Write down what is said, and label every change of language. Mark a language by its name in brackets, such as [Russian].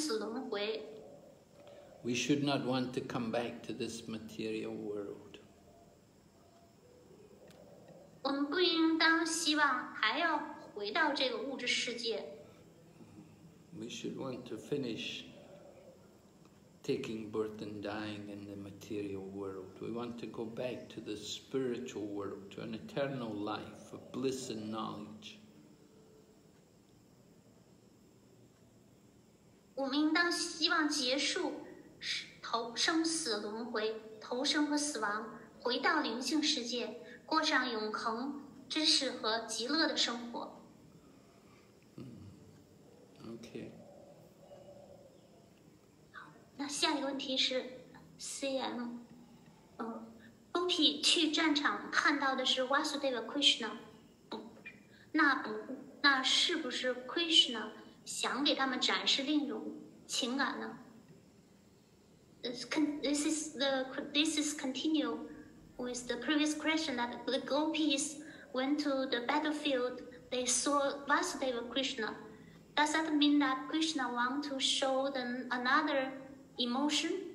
[Chinese] 人体生命是获得自我觉悟的良机，要使人们应该利用这个机会明白他们真实的自我，并且来完善他们的，结束他们物质生活的存在，结束他们的生死轮回。 [English] We should not want to come back to this material world. [Chinese] 我们不应当希望还要回到这个物质世界。 [English] We should want to finish taking birth and dying in the material world. We want to go back to the spiritual world, to an eternal life of bliss and knowledge. [Chinese] 我们应当希望结束生死轮回，投生和死亡，回到灵性世界。过上永恒、真实和极乐的生活。那下一个问题是，CM，Gopi去战场看到的是 Vasudeva Krishna， 那是不是 Krishna 想给他们展示另一种情感呢？ [English] This is continue with the previous question that the gopis went to the battlefield. They saw Vasudeva Krishna. Does that mean that Krishna want to show them another emotion?